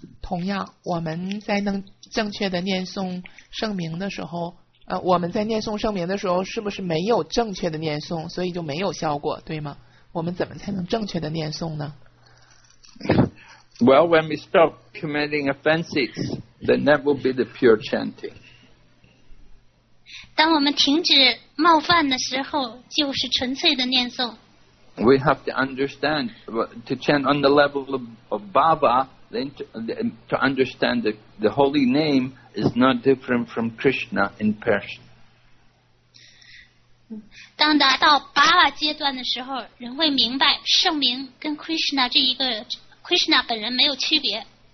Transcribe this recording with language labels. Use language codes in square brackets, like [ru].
[zh] 同样，我们在能正确的念诵圣名的时候，我们在念诵圣名的时候，是不是没有正确的念诵，所以就没有效果，对吗？我们怎么才能正确的念诵呢？ [en] Well, when we stop committing offenses, then that will be the pure chanting. [zh] 当我们停止冒犯的时候，就是纯粹的念诵。 [en] We have to understand, to chant on the level of Baba, then to understand that the holy name is not different from Krishna in Persian. [zh] 当达到 Baba 阶段的时候，人会明白圣名跟 Krishna 这一个Krishna 本人没有区别。